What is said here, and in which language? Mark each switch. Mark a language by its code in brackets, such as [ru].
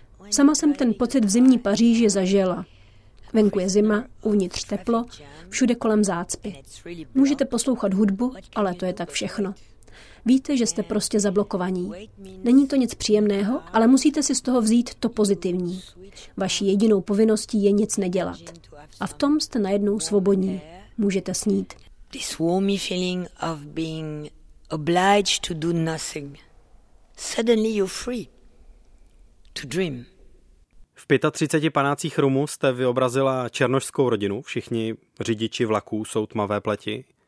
[cs] Sama jsem ten pocit v zimní Paříži zažila. Venku je zima, uvnitř teplo, všude kolem zácpy. Můžete poslouchat hudbu, ale to je tak všechno. Víte, že jste prostě zablokovaní. Není to nic příjemného, ale musíte si z toho vzít to pozitivní. Vaší jedinou povinností je nic nedělat. A v tom jste najednou svobodní. Můžete snít. [en] This warmy feeling of being obliged to do nothing. Suddenly you're free to dream. [cs] V 35 panácích rumu jste vyobrazila černošskou rodinu. Všichni řidiči vlaků jsou tmavé pleti.